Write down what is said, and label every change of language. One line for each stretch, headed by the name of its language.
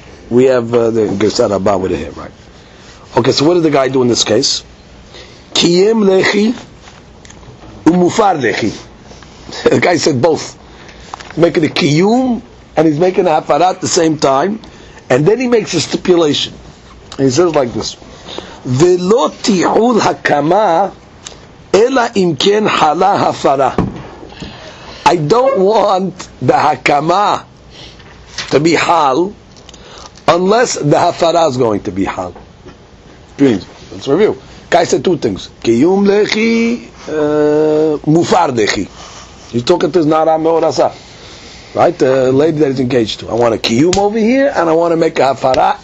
English: We have the Gersa Rava with him, right? Okay, so what did the guy do in this case?
Hebrew: Kiyem lechi umufar lechi.
English: The guy said both. He's making a kiyum and he's making a hafara at the same time. And then he makes a stipulation. And he says like this.
Hebrew: ולא תיעול הקמה אלא אם כן חלה הפרה.
English: I don't want the hakama to be hal unless the hafara is going to be hal. Please, let's review. Guy said two things.
Hebrew: Kiyum lechi, mufar lechi.
English: He's talking to his nara meorasa, right? The lady that he's engaged to. I want a kiyum over here, and I want to make a hafara.